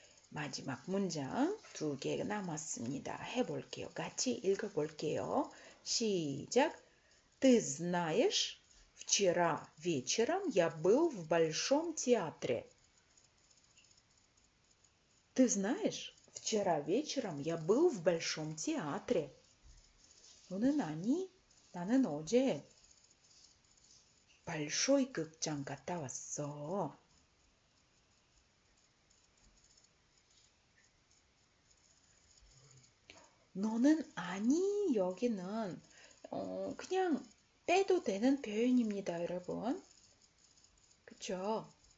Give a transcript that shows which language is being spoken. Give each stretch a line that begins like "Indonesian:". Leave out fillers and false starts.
Korean: 마지막 문장 두개 남았습니다. 해볼게요. 같이 읽어볼게요. 시작.
Russian: Ты знаешь? Вчера вечером я был в Большом театре. Ты знаешь, вчера вечером я был в Большом театре.
Korean: 오늘 아니, 나는 어제 Большой 극장 갔다 왔어. 너는 아니, 여기는 그냥 빼도 되는 표현입니다, 여러분. 그쵸?